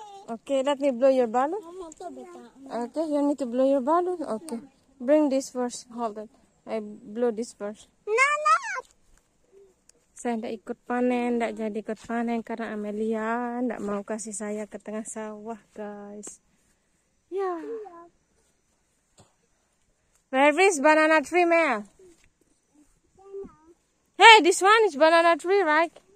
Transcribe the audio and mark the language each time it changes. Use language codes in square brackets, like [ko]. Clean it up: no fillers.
[en] Okay, let me blow your balloon. Okay, you need to blow your balloon? Okay. Bring this first, hold it. I blow this first. Nana! [id] Saya tidak ikut panen, tidak jadi ikut panen karena Amelia tidak mau kasih saya ke tengah sawah, guys. Ya. Yeah. [en] Where is banana tree, Mel? Hey, this one is banana tree, right?